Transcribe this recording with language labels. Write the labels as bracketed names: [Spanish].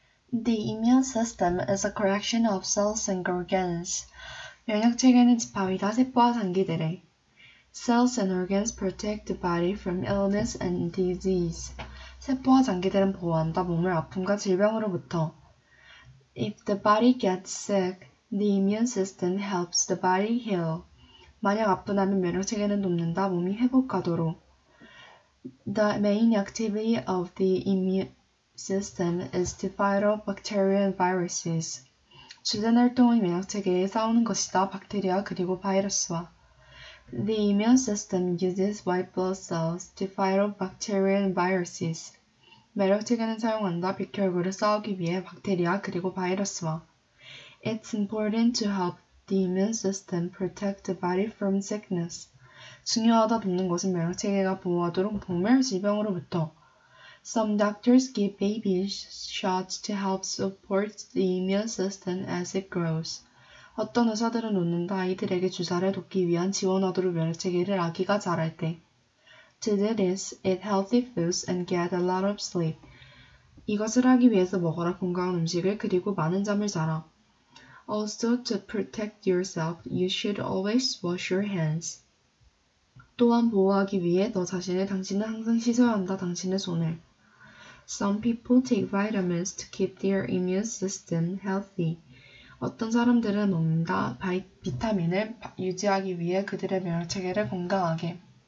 [English] The immune system is a collection of cells and organs. [Korean] 면역체계는 집합의 다세포와 장기들에. [English] Cells and organs protect the body from illness and disease. [Korean] 세포와 장기들은 보호한다 몸을 아픔과 질병으로부터. [English] If the body gets sick, the immune system helps the body heal. [Korean] 만약 아프다면 면역체계는 돕는다 몸이 회복하도록. [English] The main activity of the immune system is to fight off bacteria and viruses. [Korean] 주된 활동은 면역체계에 싸우는 것이다. 박테리아 그리고 바이러스와. [English] The immune system uses white blood cells to fight off bacteria and viruses. [Korean] 면역체계는 사용한다. 백혈구를 싸우기 위해 박테리아 그리고 바이러스와. [English] It's important to help the immune system protect the body from sickness. [Korean] 중요하다. 돕는 것은 면역체계가 보호하도록 몸을 질병으로부터. [English] Some doctors give baby shots to help support the immune system as it grows. [Korean] 어떤 의사들은 놓는다. 아이들에게 주사를 돕기 위한 지원하도록 면역체계를 아기가 자랄 때. [English] To do this, eat healthy foods and get a lot of sleep. [Korean] 이것을 하기 위해서 먹어라. 건강한 음식을 그리고 많은 잠을 자라. [English] Also, to protect yourself, you should always wash your hands. [Korean] 또한 보호하기 위해 너 자신을 당신은 항상 씻어야 한다. 당신의 손을. [English] Some people take vitamins to keep their immune system healthy. [Korean] 어떤 사람들은 먹는다. 비타민을 유지하기 위해 그들의 면역체계를 건강하게.